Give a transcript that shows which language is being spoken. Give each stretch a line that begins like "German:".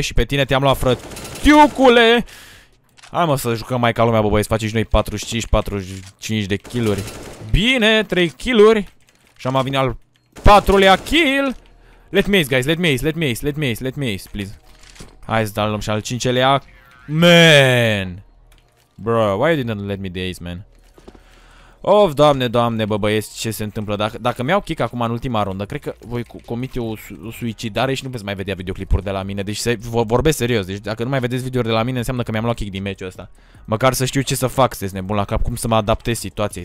Romanian: Și pe tine te-am luat, frătiucule. Hai mă să jucăm mai ca lumea, bă, băi, să facem și noi 45 de kill-uri. Bine, 3 kill-uri. Și am avut al patrulea kill.
English: Let me ace, guys, let me ace, please.
Romanian: Hai să dăm și al cincelea.
English: Man. Bro, why you didn't let me the ace, man?
Romanian: Of, doamne, doamne, bă, băieți, ce se întâmplă? Dacă mi-au kick acum în ultima rundă, cred că voi comite o suicidare și nu veți mai vedea videoclipuri de la mine. Deci vorbesc serios, deci dacă nu mai vedeți videouri de la mine, înseamnă că mi-am luat kick din meciul ăsta. Măcar să știu ce să fac, să-ți nebun la cap, cum să mă adaptez situației.